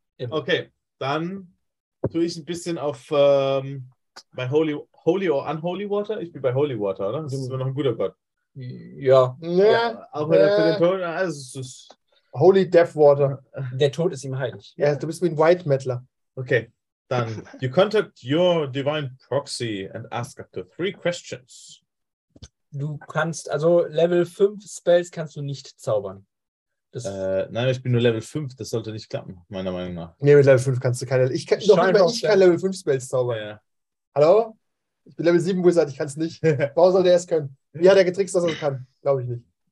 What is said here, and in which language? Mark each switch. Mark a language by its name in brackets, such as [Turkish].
[German] Okay, dann tue ich ein bisschen auf bei Holy or Unholy Water. Ich bin bei Holy Water, oder? Das ist immer noch ein guter Gott. Ja. Ja, ja. Auch wenn er für den Tod. Also es ist Holy Death Water. Der Tod ist ihm heilig. Ja, du bist wie ein White Mettler. Okay. Dann, [English] you contact your divine proxy and ask up to 3 questions. [German] Du kannst, also Level 5 Spells kannst du nicht zaubern. Nein, ich bin nur Level 5, das sollte nicht klappen, meiner Meinung nach. Nee, mit Level 5 kannst du keine, ich kann, noch immer ich kann Level 5 Spells zaubern. Ja. Hallo? Ich bin Level 7 Wizard, ich kann es nicht. Warum soll der es können? Ja, der getrickst, dass er es kann, glaube ich nicht.